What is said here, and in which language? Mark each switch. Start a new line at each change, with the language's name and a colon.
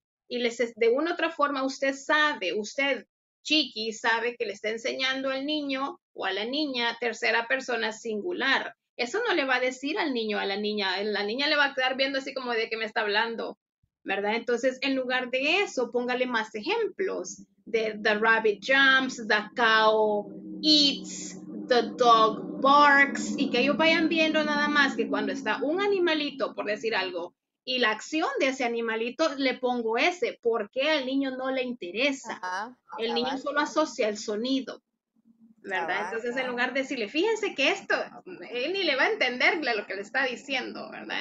Spanish: Y de una u otra forma usted, Chiqui, sabe que le está enseñando al niño o a la niña tercera persona singular. Eso no le va a decir al niño o a la niña. La niña le va a quedar viendo así como de que me está hablando, ¿verdad? Entonces, en lugar de eso, póngale más ejemplos.
English: The rabbit jumps, the cow eats, the dog barks.
Spanish: Y que ellos vayan viendo nada más que cuando está un animalito, por decir algo, y la acción de ese animalito, le pongo ese. ¿Por qué al niño no le interesa? Ajá, el niño solo asocia el sonido, ¿verdad? Ajá, entonces, en lugar de decirle, fíjense que esto, él ni le va a entender lo que le está diciendo, ¿verdad?